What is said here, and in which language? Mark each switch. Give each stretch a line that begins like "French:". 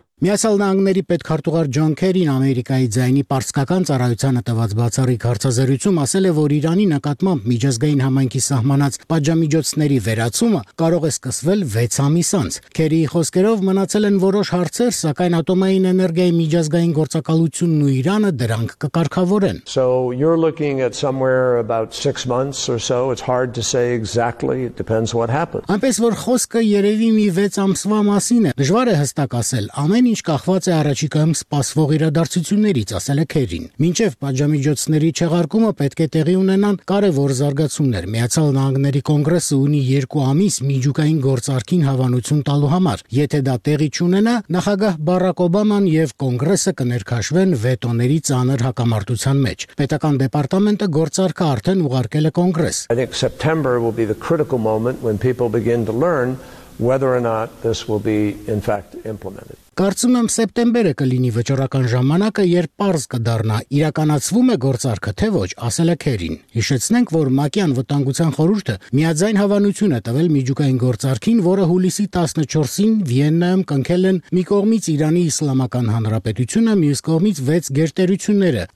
Armenian: Միացյալ Նահանգների պետքարտուղար Ջոն Քերին Ամերիկայի ձայնի պարսկական ծառայությանը տված բացառիկ հարցազրույցում ասել է, որ Իրանի նկատմամբ միջազգային համայնքի սահմանած պատժամիջոցների վերացումը կարող է սկսվել 6 ամիս անց։ Քերիի խոսքերով մնացել են որոշ հարցեր, սակայն ատոմային էներգիայի միջազգային գործակալությունն ու Իրանը դրանք կկարգավորեն։
English: So you're looking at somewhere about 6 months or so. It's hard to say exactly. It depends what happens.
Armenian: Այնպես որ խոսքը երևի մի 6 ամսվա մասին է։ Դժվար է հստակ ասել, ամեն ինչ կախված է առաջիկայում սպասվող իրադարձություններից, ասել է Քերին։ Մինչև պատժամիջոցների չեղարկումը պետք է տեղի ունենան կարևոր զարգացումներ։ Միացյալ Նահանգների կոնգրեսը ունի 2 ամիս միջուկային գործարքին հավանություն տալու համար։ Եթե դա տեղի չունենա, նախագահ Բարակ Օբաման և կոնգրեսը կներքաշվեն վետոների ծանր հակամարտության մեջ։ Պետական դեպարտամենտը գործարքը արդեն ուղարկել է կոնգրես։
English: I think September will be the critical moment when people begin to learn whether or not this will be in fact implemented.
Armenian: Կարծում եմ սեպտեմբերը կլինի վճռական ժամանակը, երբ պարզ կդառնա, իրականացվում է գործարքը, թե ոչ, ասել է Քերին։ Հիշեցնենք, որ Մակյան վտանգության խորհուրդը միաձայն հավանություն է տվել միջուկային գործարքին, որը հուլիսի 14-ին Վիեննայում կնքել են մի կողմից Իրանի Իսլամական Հանրապետությունը, մյուս կողմից 6 գերտերությունները՝